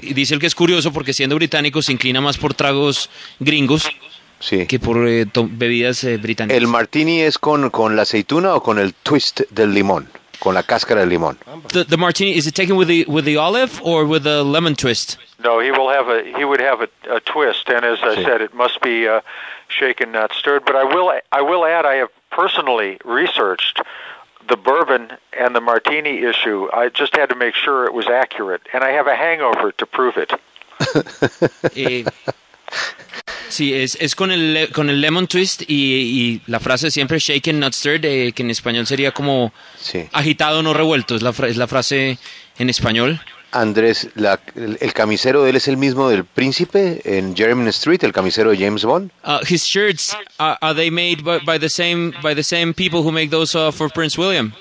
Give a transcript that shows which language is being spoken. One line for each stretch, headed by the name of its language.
Spanish: Y dice él que es curioso porque siendo británico se inclina más por tragos gringos. Sí. Que por bebidas británicas. ¿El martini es con la aceituna o con el twist del limón, con la cáscara de limón?
English: The martini, is it taken with the olive or with the lemon twist? No, he would have a twist, and as I said, it must be shaken, not stirred. But I will add, I have personally researched the bourbon and the martini issue. I just had to make sure it was accurate, and I have a hangover to prove it.
Spanish: Sí, es con el lemon twist y la frase siempre
English: shaken, not stirred,
Spanish: que en español sería como agitado, no revuelto, es la frase en español. Andrés, ¿el camisero de él es el mismo del príncipe en Jermyn Street, el camisero de James Bond?
English: His shirts, are they made by the same people who make those for Prince William?